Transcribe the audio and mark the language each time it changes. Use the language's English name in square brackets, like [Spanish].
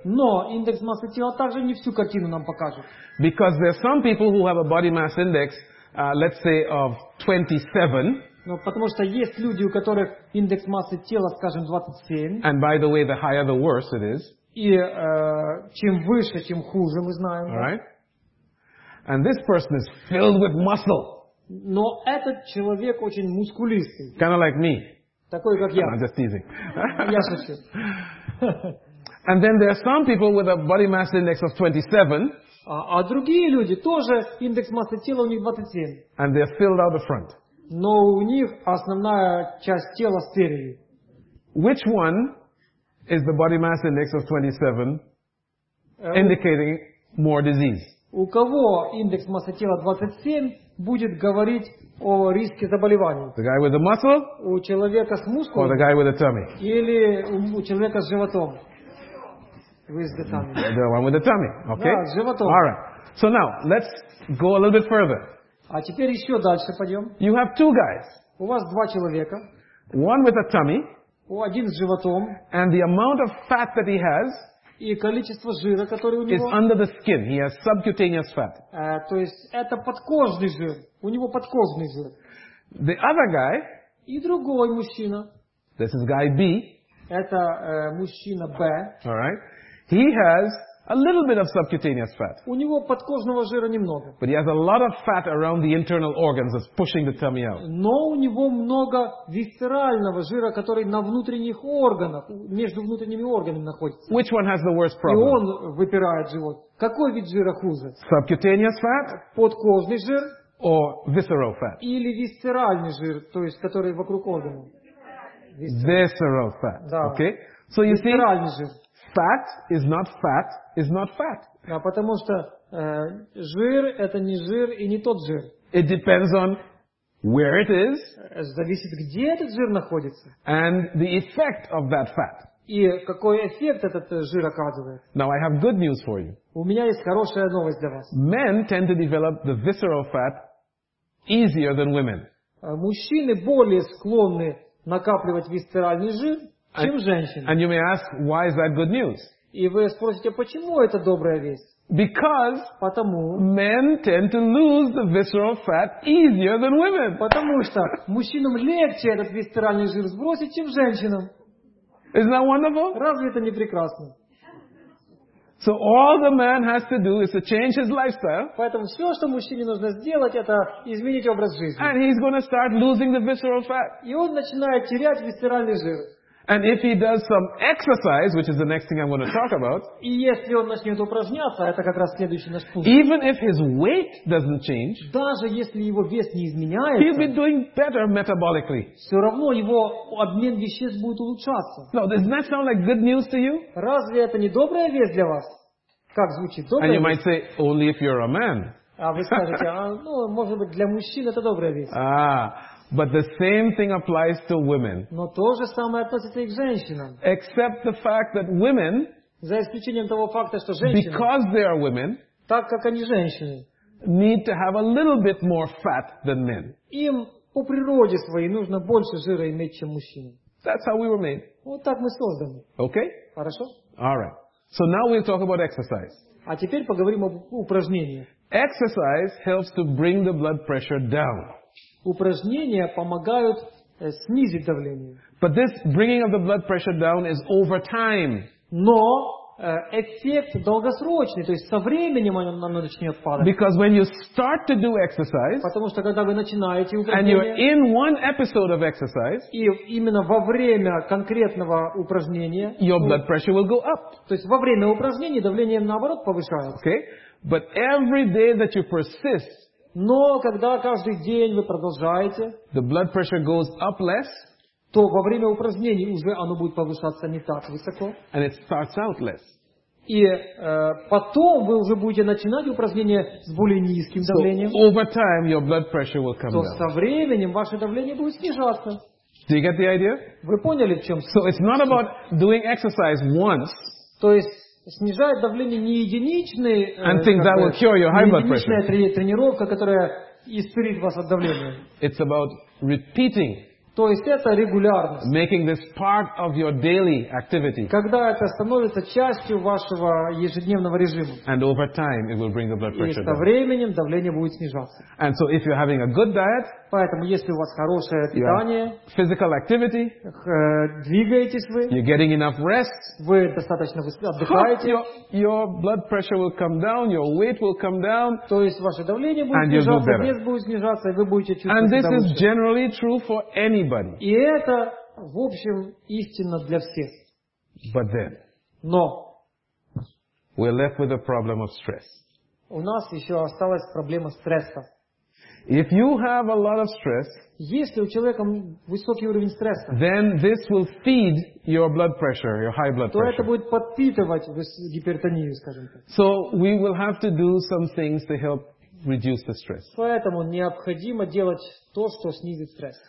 [Russian] Но индекс массы тела также не всю картину нам покажет. [English] Because there are some people who have a body mass index, let's say, of 27. [Russian] Но потому что есть люди, у которых индекс массы тела, скажем, 27. [English] And by the way, the higher the worse it is. [Russian] И чем выше, тем хуже, мы знаем. [English] All right. And this person is filled with muscle. [Russian] Но этот человек очень мускулистый. [English] Kind of like me. [Russian] Такой, как я. [English] I'm just teasing. [Russian] Я шучу. [English] And then there are some people with a body mass index of 27. [Russian] А другие люди тоже индекс массы тела у них 27. [English] And they're filled out the front. [Russian] Но у них основная часть тела спереди. [English] Which one is the body mass index of 27 indicating more disease? [Russian] У кого индекс массы тела 27 будет говорить о риске заболеваний? [English] The guy with the muscle? [Russian] У человека с мускулами? [English] Or the guy with the tummy? [Russian] Или у человека с животом? [English] With the tummy. The one with the tummy. Okay. [Russian] Да, с животом. [English] All right. So now let's go a little bit further. [Russian] А теперь еще дальше пойдем. [English] You have two guys. [Russian] У вас два человека. [English] One with a tummy. [Russian] Один с животом. [English] And the amount of fat that he has. [Russian] И количество жира, который у него. [English] Is under the skin. He has subcutaneous fat. [Russian] То есть это подкожный жир. У него подкожный жир. [English] The other guy. [Russian] И другой мужчина. [English] This is guy B. [Russian] Это мужчина Б. [English] All right. He has a little bit of subcutaneous fat. [Russian] У него подкожного жира немного. [English] But he has a lot of fat around the internal organs that's pushing the tummy out. [Russian] Но у него много висцерального жира, который на внутренних органах, между внутренними органами находится. [English] Which one has the worst problem? [Russian] И он выпирает живот. Какой вид жира хуже? [English] Subcutaneous fat? [Russian] Подкожный жир? [English] Or visceral fat? [Russian] Или висцеральный жир, то есть который вокруг органов. [English] Visceral fat. [Russian] Да. [English] Okay. So you see. [Russian] Висцеральный жир. [English] Fat is not fat. Is not fat. [Russian] Да, потому что жир это не жир и не тот жир. [English] It depends on where it is. [Russian] Зависит, где этот жир находится. [English] And the effect of that fat. [Russian] И какой эффект этот жир оказывает. [English] Now I have good news for you. [Russian] У меня есть хорошая новость для вас. [English] Men tend to develop the visceral fat easier than women. [Russian] Мужчины более склонны накапливать висцеральный жир, чем женщины. [English] And you may ask, why is that good news? [Russian] И вы спросите, почему это добрая весть? [English] Because [Russian] потому, [English] men tend to lose the visceral fat easier than women. [Russian] Потому что мужчинам легче этот висцеральный жир сбросить, чем женщинам. [English] Isn't that wonderful? [Russian] Разве это не прекрасно? [English] So all the man has to do is to change his lifestyle. [Russian] Поэтому все, что мужчине нужно сделать, это изменить образ жизни. [English] And he's going to start losing the visceral fat. [Russian] И он начинает терять висцеральный жир. [English] And if he does some exercise, which is the next thing I'm going to talk about, [Russian] и если он начнет упражняться, это как раз следующий наш пункт. [English] Even if his weight doesn't change, [Russian] даже если его вес не изменяется, [English] he'll be doing better metabolically. [Russian] Все равно его обмен веществ будет улучшаться. [English] Now, doesn't that sound like good news to you? [Russian] Разве это не добрая весть для вас? Как звучит добрая? [English] And you might say, only if you're a man. [Russian] А вы скажете, ну, может быть, для мужчин это добрая весть. Ah. [English] But the same thing applies to women. [Russian] Но то же самое относится и к женщинам. [English] Except the fact that women, [Russian] за исключением того факта, что женщины, [English] because they are women, [Russian] так как они женщины, [English] need to have a little bit more fat than men. [Russian] Им по природе своей нужно больше жира иметь, чем мужчины. [English] That's how we were made. [Russian] Вот так мы созданы. [English] Okay? [Russian] Хорошо? [English] All right. So now we'll talk about exercise. [Russian] А теперь поговорим об упражнениях. [English] Exercise helps to bring the blood pressure down. [Russian] Упражнения помогают снизить давление. [English] But this bringing of the blood pressure down is over time. [Russian] Но эффект долгосрочный, то есть со временем оно начнет падать. [English] Because when you start to do exercise, [Russian] потому что когда вы начинаете упражнение, [English] and you're in one episode of exercise, [Russian] и именно во время конкретного упражнения, [English] your blood pressure will go up. [Russian] То есть во время упражнения давление наоборот повышается. [English] Okay, but every day that you persist. [Russian] Но когда каждый день вы продолжаете, [English] the blood pressure goes up less, [Russian] то во время упражнений уже оно будет повышаться не так высоко. [English] And it starts out less. [Russian] И потом вы уже будете начинать упражнение с более низким давлением. [English] So, over time your blood pressure will come down. [Russian] То со временем ваше давление будет снижаться. [English] Do you get the idea? [Russian] Вы поняли, в чем суть? [English] So it's not about doing exercise once. [Russian] То есть снижает давление не единичный, [English] and think that will cure your high blood pressure. [Russian] Не единичная тренировка, которая исцелит вас от давления. [English] It's about repeating. [Russian] То есть это регулярность. [English] Making this part of your daily activity. [Russian] Когда это становится частью вашего ежедневного режима. [English] And over time it will bring the blood pressure down. [Russian] И со временем давление будет снижаться. [English] And so if you're having a good diet, [Russian] поэтому если у вас хорошее питание, [English] physical activity, [Russian] двигаетесь вы, [English] you're getting enough rest, [Russian] вы достаточно отдыхаете, [English] your blood pressure will come down, your weight will come down, [Russian] то есть ваше давление будет снижаться, вес будет снижаться, и вы будете чувствовать себя лучше. [English] And this is generally true for anybody. [Russian] И это, в общем, истинно для всех. [English] But then, [Russian] но [English] we're left with the problem of stress. [Russian] У нас еще осталась проблема стресса. [English] If you have a lot of stress, [Russian] если у человека высокий уровень стресса, [English] then this will feed your blood pressure, your high blood pressure. [Russian] То это будет подпитывать гипертонию, скажем так. [English] So we will have to do some things to help reduce the stress. [Russian] Поэтому необходимо делать то, что снизит стресс.